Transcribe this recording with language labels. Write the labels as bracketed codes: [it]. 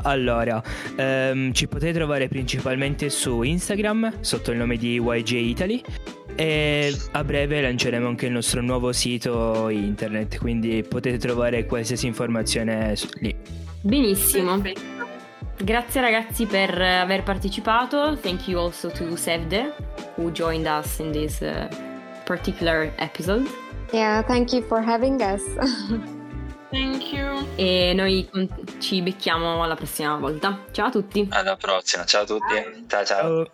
[it] Allora, ci potete trovare principalmente su Instagram sotto il nome di YG Italy e a breve lanceremo anche il nostro nuovo sito internet, quindi potete trovare qualsiasi informazione lì. Benissimo. Perfetto. Grazie ragazzi per aver partecipato. [en] Thank you also to Sevde who joined us in this particular episode. Yeah, thank you for having us. Thank you. [it] E noi ci becchiamo alla prossima volta. Ciao a tutti. Alla prossima. Ciao a tutti. Bye. Ciao ciao.